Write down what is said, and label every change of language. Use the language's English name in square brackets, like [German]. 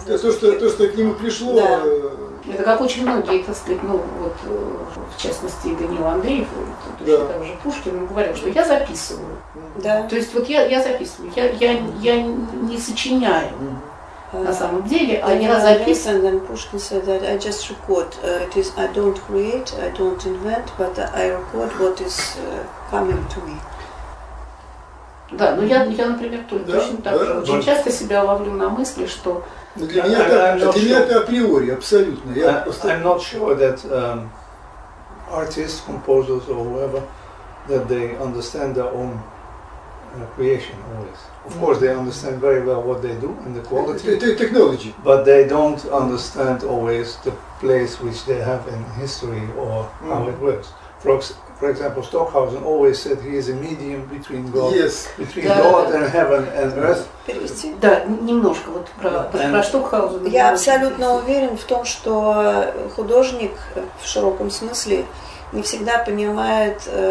[Russian] Да, то, что к нему пришло. Да. Это как очень многие, так сказать, ну вот, в частности, Даниил Андреев, также Пушкин, говорил, что я записываю. Да. То есть вот я записываю, я не сочиняю. На самом деле, они записывают. [English] Пушкин said that I just record. It is I don't create, I don't invent, but I record what is coming to me. [Russian] Да, ну я например, очень часто себя ловлю на мысли, что для меня это априори, абсолютно. [English] I'm not sure that artists, composers, or whoever, that they understand their own creation always. Of course, they understand very well what they do and the quality. The technology. But they don't understand always the place which they have in history or how it works. For example, Stockhausen always said he is a medium between God, between God and heaven and earth. [Russian] Перевести? Да, немножко вот про Штокхаузена. Я абсолютно уверен в том, что художник в широком смысле не всегда понимает,